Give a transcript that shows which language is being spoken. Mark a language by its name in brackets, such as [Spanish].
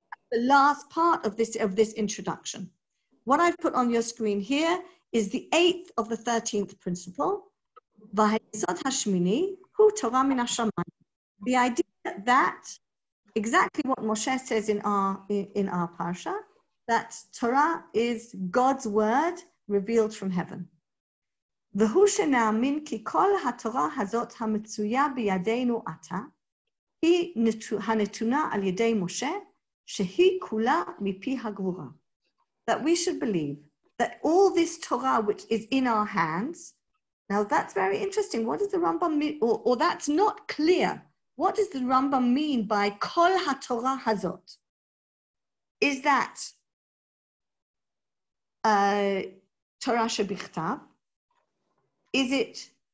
[English] The last part of this introduction. What I've put on your screen here is the 8th of the 13th principle, Vahayisod Hashmini, Hu Torah Min Hashamayim. The idea that exactly what Moshe says in our parsha, that Torah is God's word revealed from heaven. [Hebrew] והוא שנאמין כי כל התורה הזאת המצויה בידינו עתה, היא הנתונה על ידי משה, שהיא כולה מפי הגבורה. [English] That we should believe that all this Torah which is in our hands, now that's very interesting, what does the Rambam mean, or that's not clear, what does the Rambam mean by [Hebrew] כל התורה הזאת? [English] Is that Torah שבכתב? Is it